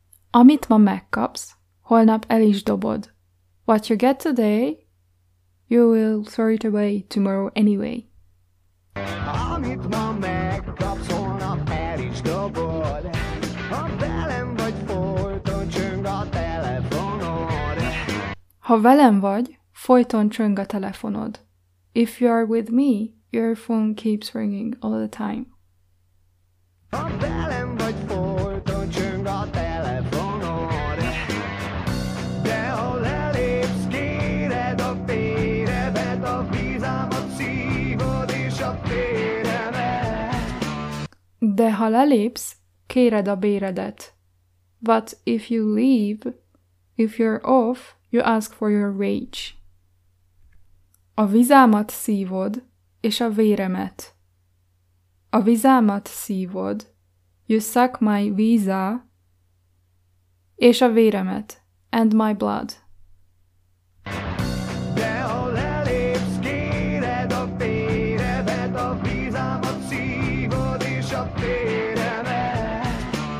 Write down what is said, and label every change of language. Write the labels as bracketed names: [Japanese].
[Hungarian] Amit ma megkapsz, holnap el is dobod. [English] What you get today, you will throw it away tomorrow anyway. [Hungarian] Amit ma megkapsz, holnap el is dobod. Ha velem vagy, folyton csöng a telefonod. Ha velem vagy, folyton csöng a telefonod. [English] If you are with me, your phone keeps ringing all the time. [Hungarian] Ha velem vagy, folyton csöng a telefonod. De ha lelépsz, kéred a péremet, a vízámat szívod és a péremet. De ha lelépsz, kéred a béredet. [English] But if you leave, if you're off, you ask for your wage. [Hungarian] A vízámat szívod és a véremet. A vízámat szívod, [English] you suck my visa, [Hungarian] és a véremet, [English] and my blood. [Hungarian] De ha lelépsz, kéred a véremet, a vízámat szívod és a véremet.